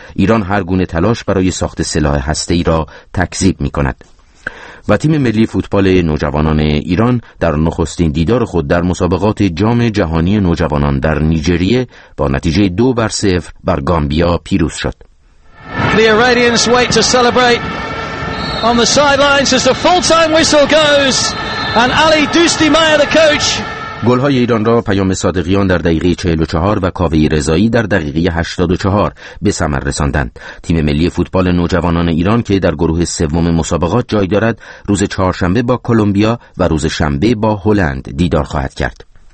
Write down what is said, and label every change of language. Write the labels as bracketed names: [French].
[Persian] ایران هر گونه تلاش برای ساخت سلاح هسته‌ای را تکذیب می‌کند. و تیم ملی فوتبال نوجوانان ایران در نخستین دیدار خود در مسابقات جام جهانی نوجوانان در نیجریه با نتیجه 2-0 بر گامبیا پیروز شد. [English] The Iranians wait to celebrate on the sidelines as the full-time whistle goes and Ali Dostmaye the coach. [Persian] گل‌های ایران را پیام صادقیان در دقیقه 44 و کاوه رضایی در دقیقه 84 به ثمر رساندند. تیم ملی فوتبال نوجوانان ایران که در گروه سوم مسابقات جای دارد، روز چهارشنبه با کلمبیا و روز شنبه با هلند دیدار خواهد کرد.